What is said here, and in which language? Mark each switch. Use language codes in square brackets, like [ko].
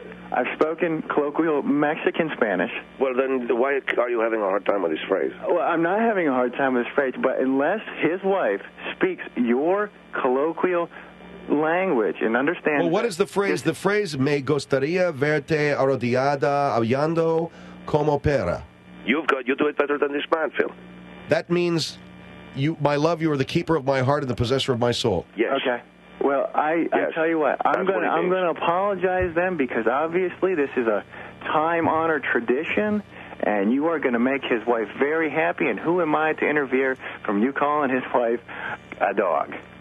[en] I've spoken colloquial Mexican Spanish. Well, then why are you having a hard time with this phrase? Well, I'm not having a hard time with this phrase, but unless his wife speaks your colloquial language and understand. Well, what is the phrase? The phrase, [es] me gustaría verte arrodillada hablando como perra. [en] You do it better than this man, Phil. That means, my love, you are the keeper of my heart and the possessor of my soul. Yes. Okay. Well, I tell you what, I'm gonna apologize then, because obviously this is a time-honored tradition, and you are gonna make his wife very happy, and who am I to interfere from you calling his wife a dog?